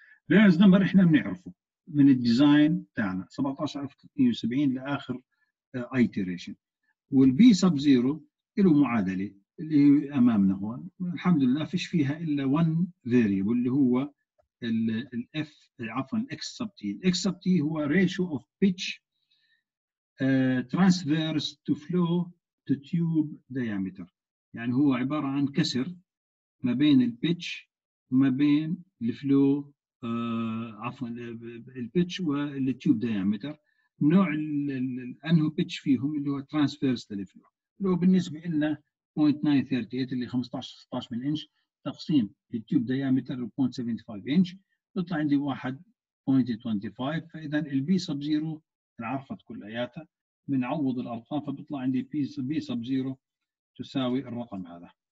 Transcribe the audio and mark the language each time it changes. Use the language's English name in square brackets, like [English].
[Arabic] رينولدز نمبر إحنا بنعرفه من الديزاين تاعنا 17,370 لآخر ايتريشن. والبي سب زيرو إله معادلة اللي أمامنا هون، الحمد لله فيش فيها إلا [English] one variable [Arabic] اللي هو ال F عفوا X sub T. X sub T هو [English] ratio of pitch transverse to flow to tube diameter، [Arabic] يعني هو عبارة عن كسر ما بين ال pitch وما بين ال flow عفوا ال pitch وال tube diameter. نوع أنه pitch فيهم اللي هو [English] transverse to flow، [Arabic] لو بالنسبة لنا 0.938 اللي 15-16 من إنش تقسيم التيوب ديامتر 0.75 إنش بطلع عندي 1.25. فإذا البي سب زيرو انعرفت كلياتها، بنعوض الأرقام فبطلع عندي بي سب زيرو تساوي الرقم هذا.